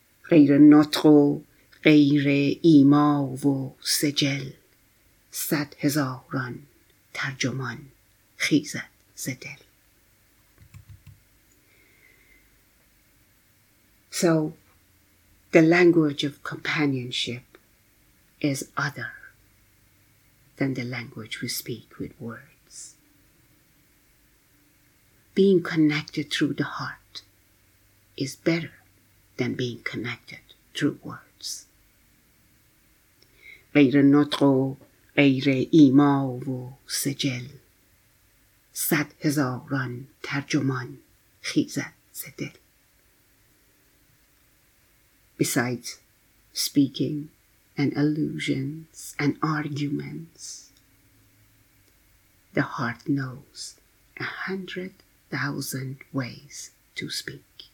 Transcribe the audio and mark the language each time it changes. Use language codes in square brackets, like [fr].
[fa] غیر نطق و غیر ایما و سجل، صد هزاران ترجمان خیزد ز دل. [en] So, the language of companionship is other than the language we speak with words. Being connected through the heart is better than being connected through words. [fa] غیر نطق و غیر ایما و سجل، صد هزاران ترجمان خیزد ز دل. [en] Besides speaking and illusions and arguments, the heart knows 100,000 ways to speak.